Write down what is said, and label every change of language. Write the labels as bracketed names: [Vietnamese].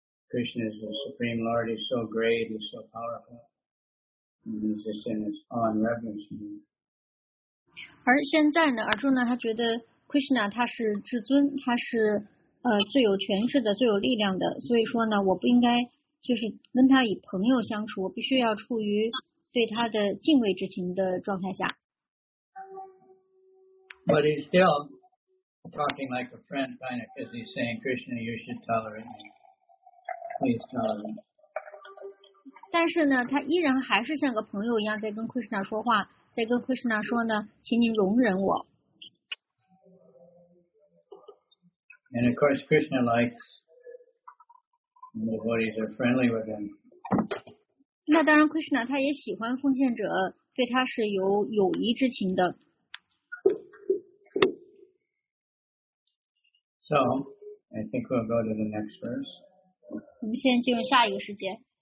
[English] Krishna is the Supreme Lord, he's so great, he's so powerful, and he's just in his awe and reverence for me. [Chinese] 而现在呢，而说呢，他觉得 Krishna 他是至尊，他是最有权势的，最有力量的，所以说呢，我不应该就是跟他以朋友相处，我必须要处于对他的敬畏之情的状态下。 [English] But he's still talking like a friend, kind of, because he's saying, Krishna, you should tolerate me. [Chinese] 但是呢他依然还是像个朋友一样在跟 Krishna 说话，在跟 Krishna 说呢，请您容忍我。 [English] And of course Krishna likes when devotees are friendly with him. [Chinese] 那当然 Krishna 他也喜欢奉献者对他是有友谊之情的。 [English] So I think we'll go to the next verse. [Chinese] 我们现在进入下一个世界。